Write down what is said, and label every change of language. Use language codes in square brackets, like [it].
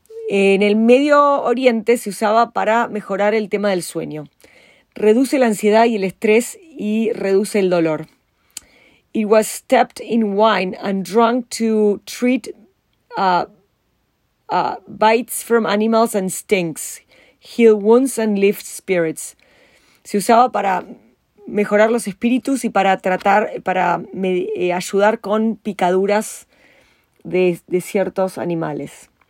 [es] En el Medio Oriente se usaba para mejorar el tema del sueño. Reduce la ansiedad y el estrés y reduce el dolor. [en] It was stepped in wine and drunk to treat bites from animals and stings. Heal wounds and lift spirits. [es] Se usaba para mejorar los espíritus y para tratar, ayudar con picaduras de ciertos animales.